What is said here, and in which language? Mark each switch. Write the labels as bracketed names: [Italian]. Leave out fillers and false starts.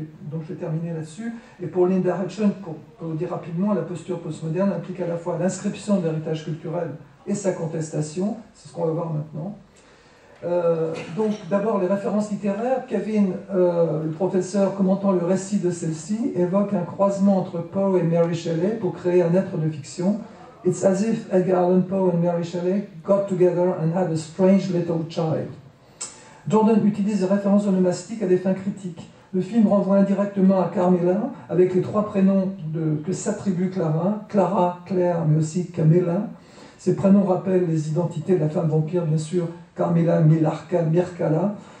[French] Bon, je vais terminer là-dessus. Et pour Linda Hutchins, pour le dire rapidement, la posture postmoderne implique à la fois l'inscription de l'héritage culturel et sa contestation. C'est ce qu'on va voir maintenant. Donc, d'abord, les références littéraires. Kevin, le professeur, commentant le récit de celle-ci, évoque un croisement entre Poe et Mary Shelley pour créer un être de fiction. [English] It's as if Edgar Allan Poe and Mary Shelley got together and had a strange little child. [French] Jordan utilise des références onomastiques à des fins critiques. Le film renvoie indirectement à Carmilla avec les trois prénoms que s'attribue Clara, Clara, Claire, mais aussi Camilla. Ces prénoms rappellent les identités de la femme vampire, bien sûr, Carmilla, Milarca, Mirkala.